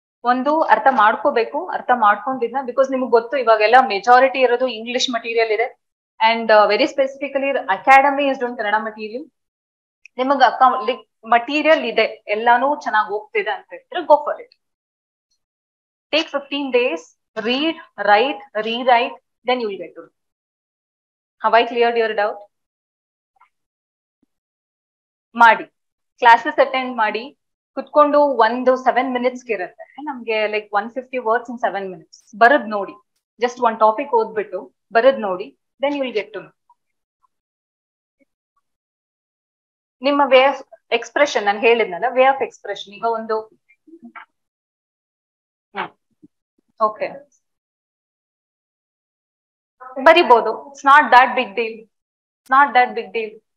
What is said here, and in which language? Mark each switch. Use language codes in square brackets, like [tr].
[kn] ಒಂದು ಅರ್ಥ ಮಾಡ್ಕೋಬೇಕು, ಅರ್ಥ ಮಾಡ್ಕೊಂಡಿದ್ನ, ಬಿಕಾಸ್ ನಿಮ್ಗೆ ಗೊತ್ತು ಇವಾಗೆಲ್ಲ ಮೆಜಾರಿಟಿ ಇರೋದು ಇಂಗ್ಲಿಷ್ ಮಟೀರಿಯಲ್ ಇದೆ, [en] And very specifically academy is doing Kannada material. [kn] ನಿಮಗೆ ಲೈಕ್ ಮಟೀರಿಯಲ್ ಇದೆ, ಎಲ್ಲಾನು ಚೆನ್ನಾಗಿ ಹೋಗ್ತಿದೆ ಅಂತ ಹೇಳಿದ್ರೆ [en] Go for it. Take 15 days read, write, rewrite, then you will get to. Have I cleared your doubt? [kn] Madi. Classes attend madi. ಕುತ್ಕೊಂಡು ಒಂದು 7 ಮಿನಿಟ್ಸ್ಗೆ ಇರುತ್ತೆ ನಮ್ಗೆ, [en] Like 150 words in 7 minutes. [kn] ಬರದ್ ನೋಡಿ, ಜಸ್ಟ್ ಒಂದ್ ಟಾಪಿಕ್ ಓದ್ಬಿಟ್ಟು ಬರದ್ ನೋಡಿ, [en] Then you will get to. [kn] ನಿಮ್ಮ ವೇ ಆಫ್ ಎಕ್ಸ್ಪ್ರೆಷನ್, ನಾನು ಹೇಳಿದ್ನಲ್ಲ ವೇ ಆಫ್ ಎಕ್ಸ್ಪ್ರೆಷನ್. ಈಗ ಒಂದು okay ಬರಿಬಹುದು, [en] it's not that big deal, [kn] not that big deal.